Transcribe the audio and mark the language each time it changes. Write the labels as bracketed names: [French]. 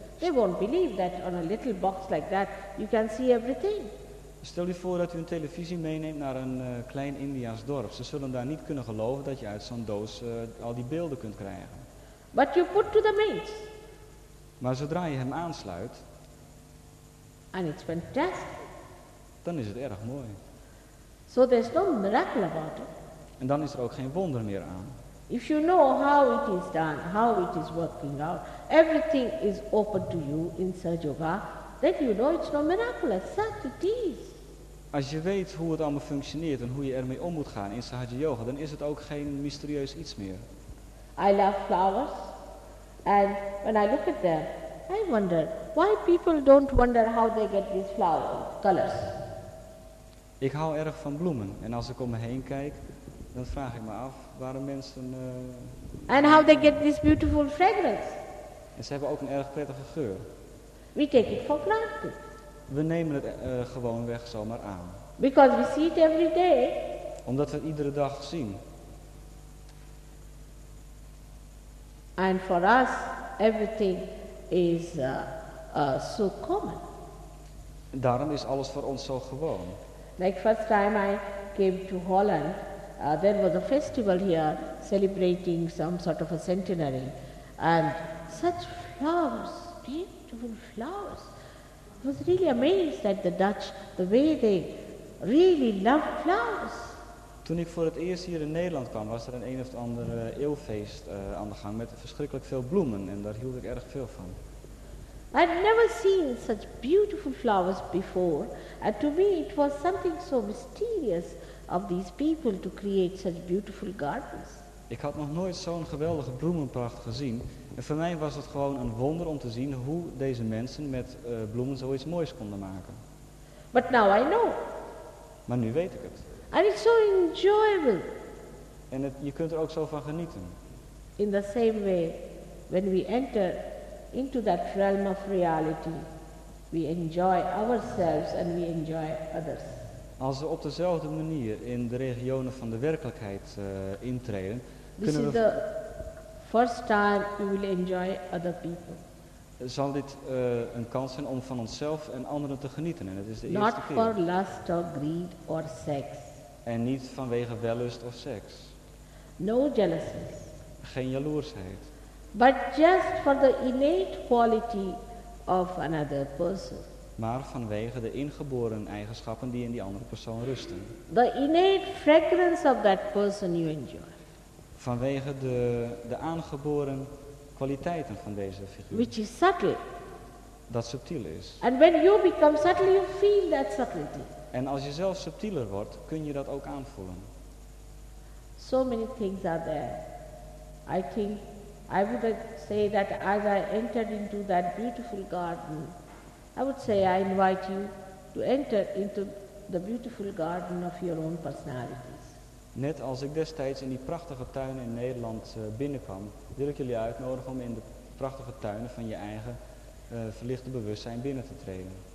[English] They won't believe that on a little box like that you can see everything. [Dutch] Stel u voor dat u een televisie meeneemt naar een klein Indiaans dorp. Ze zullen daar niet kunnen geloven dat je uit zo'n doos al die beelden kunt krijgen. [English] But you put to the mains. [Dutch] Maar zodra je hem aansluit, [English] and it's fantastic. [Dutch] Dan is het erg mooi. [English] So there's no miracle about it. [Dutch] En dan is er ook geen wonder meer aan. [English] If you know how it is done, how it is working out, everything is open to you in Sahaja Yoga. That you know it's no miracle, such it is. [Dutch] Als je weet hoe het allemaal functioneert en hoe je ermee om moet gaan in Sahaja Yoga, dan is het ook geen mysterieus iets meer. [English] I love flowers. And when I look at them, I wonder why people don't wonder how they get these flower colors. [Dutch] Ik hou erg van bloemen. En als ik om me heen kijk, dan vraag ik me af waarom mensen. [English] And how they get this beautiful fragrance. [Dutch] En ze hebben ook een erg prettige geur. [English] We take it for granted. [Dutch] We nemen het gewoonweg zomaar aan. [English] Because we see it every day. [Dutch] Omdat we het iedere dag zien. [English] And for us, everything is so common. [Dutch] Daarom is alles voor ons zo gewoon. [English] Like first time I came to Holland, there was a festival here celebrating some sort of a centenary, and such flowers. Beautiful flowers. I was really amazed at the Dutch, the way they really love flowers. [Dutch] Toen ik voor het eerst hier in Nederland kwam, was er een of andere eeuwfeest aan de gang met verschrikkelijk veel bloemen, en daar hield ik erg veel van. [English] I'd never seen such beautiful flowers before, and to me it was something so mysterious of these people to create such beautiful gardens. [Dutch] Ik had nog nooit zo'n geweldige bloemenpracht gezien. En voor mij was het gewoon een wonder om te zien hoe deze mensen met bloemen zoiets moois konden maken. [English] But now I know. [Dutch] Maar nu weet ik het. [English] And it's so enjoyable. [Dutch] En het, je kunt er ook zo van genieten. [English] In the same way, when we enter into that realm of reality, we enjoy ourselves and we enjoy others. [Dutch] Als we op dezelfde manier in de regionen van de werkelijkheid intreden, [English] this [Dutch] kunnen we. [English] Is the first time you will enjoy other people. [Dutch] Zal dit een kans zijn om van onszelf en anderen te genieten? En het is de [English] not [Dutch] eerste keer. [English] Not for lust or greed or sex. [Dutch] En niet vanwege wellust of seks. [English] No jealousy. [Dutch] Geen jaloersheid. [English] But just for the innate quality of another person. [Dutch] Maar vanwege de ingeboren eigenschappen die in die andere persoon rusten. [English] The innate fragrance of that person you enjoy. [Dutch] Vanwege de aangeboren kwaliteiten van deze figuur. [English] Which is subtle. [Dutch] Dat subtiel is. [English] And when you become subtle, you feel that subtlety. [Dutch] En als je zelf subtieler wordt, kun je dat ook aanvoelen. [English] So many things are there. I think I would say that as I entered into that beautiful garden, I would say I invite you to enter into the beautiful garden of your own personalities. [Dutch] Net als ik destijds in die prachtige tuinen in Nederland binnenkwam, wil ik jullie uitnodigen om in de prachtige tuinen van je eigen verlichte bewustzijn binnen te treden.